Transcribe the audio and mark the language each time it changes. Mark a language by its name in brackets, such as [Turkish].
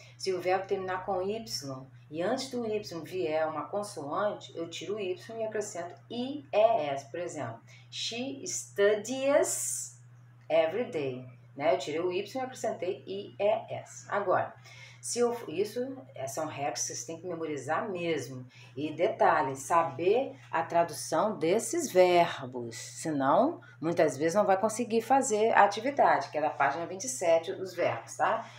[Portuguese] Se o verbo terminar com y, e antes do Y vier uma consoante, eu tiro o Y e acrescento IES. Por exemplo, [English] she studies every day. [Portuguese] Né? Eu tirei o Y e acrescentei IES. Agora, se eu, isso são regras que vocês têm que memorizar mesmo. E detalhe, saber a tradução desses verbos. Senão, muitas vezes não vai conseguir fazer a atividade, que é da página 27, os verbos, tá?